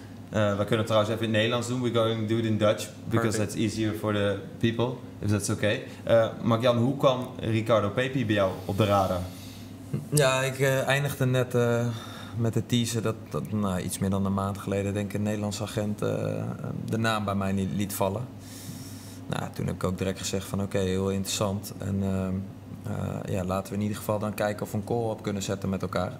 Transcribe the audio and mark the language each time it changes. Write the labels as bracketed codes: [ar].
[nl] We kunnen het trouwens even in het Nederlands doen. [en] We're going to do it in Dutch because Perfect. That's easier for the people, if that's okay. [nl] Mark-Jan, hoe kwam Ricardo Pepi bij jou op de radar? Ja, ik eindigde net met de teaser dat iets meer dan een maand geleden, denk ik, een Nederlands agent de naam bij mij liet vallen. Nou, toen heb ik ook direct gezegd van oké, heel interessant. En laten we in ieder geval dan kijken of we een call op kunnen zetten met elkaar.